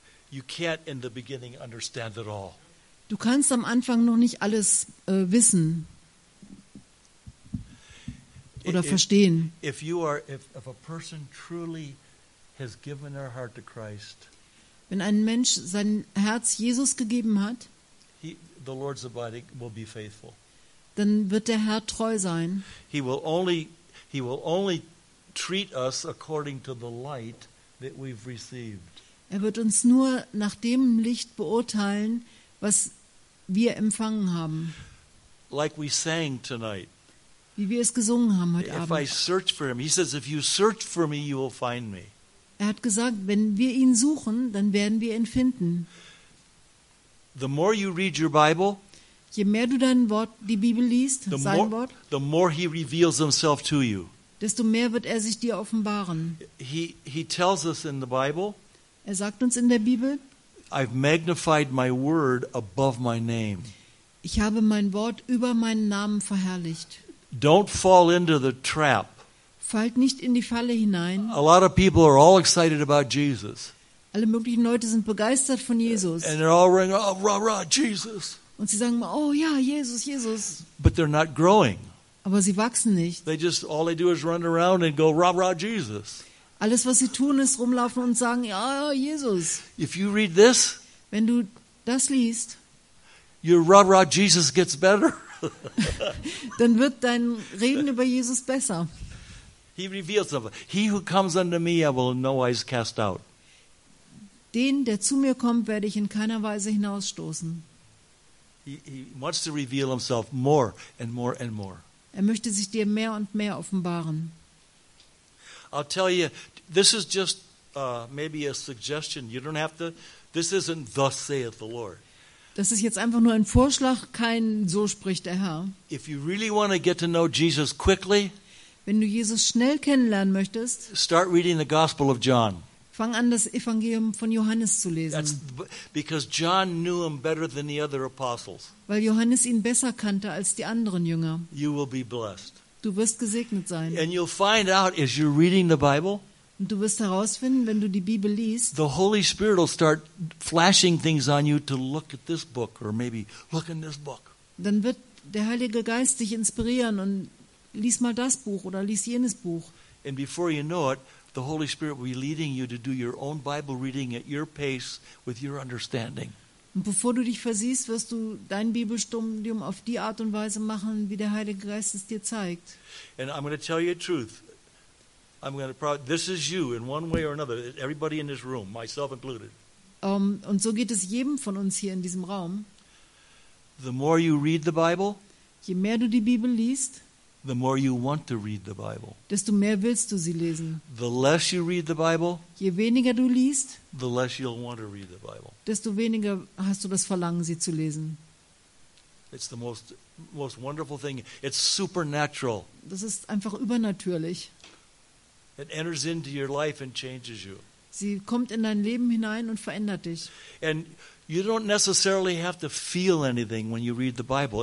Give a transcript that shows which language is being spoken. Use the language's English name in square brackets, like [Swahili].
[English] You can't in the beginning understand it all. [German] Du kannst am Anfang noch nicht alles wissen oder verstehen. [English] If a person truly has given their heart to Christ, [German] wenn ein Mensch sein Herz Jesus gegeben hat, [English] the Lord's abiding will be faithful. [German] Dann wird der Herr treu sein. [English] He will only treat us according to the light that we've received. [German] Er wird uns nur nach dem Licht beurteilen, was wir empfangen haben. [English] Like we sang tonight. [German] Wie wir es gesungen haben heute Abend. [English] If I search for him, he says, if you search for me, you will find me. [German] Er hat gesagt, wenn wir ihn suchen, dann werden wir ihn finden. [English] The more you read your Bible, [German] je mehr du dein Wort, die Bibel liest, sein Wort, [English] the more he reveals himself to you. [German] Desto mehr wird er sich dir offenbaren. [English] He tells us in the Bible, [German] er sagt uns in der Bibel, [English] I've magnified my word above my name. [German] Ich habe mein Wort über meinen Namen verherrlicht. [English] Don't fall into the trap. [German] Fallt nicht in die Falle hinein. [English] A lot of people are all excited about Jesus. [German] Alle möglichen Leute sind begeistert von Jesus. [English] And they're all running, oh, rah, rah, Jesus. [German] Und sie sagen, oh ja, Jesus, Jesus. [English] But they're not growing. [German] Aber sie wachsen nicht. [English] They just, all they do is run around and go, rah, rah, Jesus. [German] Alles, was sie tun, ist rumlaufen und sagen, ja, Jesus. [English] If you read this, [German] wenn du das liest, [English] your rah, rah, Jesus gets better. [German] Dann wird dein Reden über Jesus besser. [English] He reveals himself. He who comes unto me, I will in no wise cast out. [German] Den, der zu mir kommt, werde ich in keiner Weise hinausstoßen. [English] He wants to reveal himself more and more and more. [German] Er möchte sich dir mehr und mehr offenbaren. [English] I'll tell you, this is just maybe a suggestion. You don't have to. This isn't thus saith the Lord. [German] Das ist jetzt einfach nur ein Vorschlag, kein so spricht der Herr. [English] If you really want to get to know Jesus quickly, [German] wenn du Jesus schnell kennenlernen möchtest, [English] start reading the Gospel of John. [German] Fang an, das Evangelium von Johannes zu lesen. [English] That's because John knew him better than the other apostles. [German] Weil Johannes ihn besser kannte als die anderen Jünger. [English] You will be blessed. [German] Du wirst gesegnet sein. [English] And you'll find out as you're reading the Bible. [German] Und du wirst herausfinden, wenn du die Bibel liest. [English] The Holy Spirit will start flashing things on you to look at this book or maybe look in this book. [German] Dann wird der Heilige Geist dich inspirieren und lies mal das Buch oder lies jenes Buch. [English] And before you know it, the Holy Spirit will be leading you to do your own Bible reading at your pace with your understanding. [German] Und bevor du dich versiehst, wirst du dein Bibelstudium auf die Art und Weise machen, wie der Heilige Geist es dir zeigt. [English] And I'm going to tell you the truth. I'm going to probably, this is you in one way or another, everybody in this room, myself included. [German] Und so geht es jedem von uns hier in diesem Raum. [English] The more you read the Bible, [German] je mehr du die Bibel liest, [English] the more you want to read the Bible. [German] Desto mehr willst du sie lesen. [English] The less you read the Bible, [German] je weniger du liest, [English] the less you'll want to read the Bible. [German] Desto weniger hast du das Verlangen, sie zu lesen. [English] It's the most wonderful thing. It's supernatural. [German] Das ist einfach übernatürlich. [English] It enters into your life and changes you. [German] Sie kommt in dein Leben hinein und verändert dich. [English] And you don't necessarily have to feel anything when you read the Bible.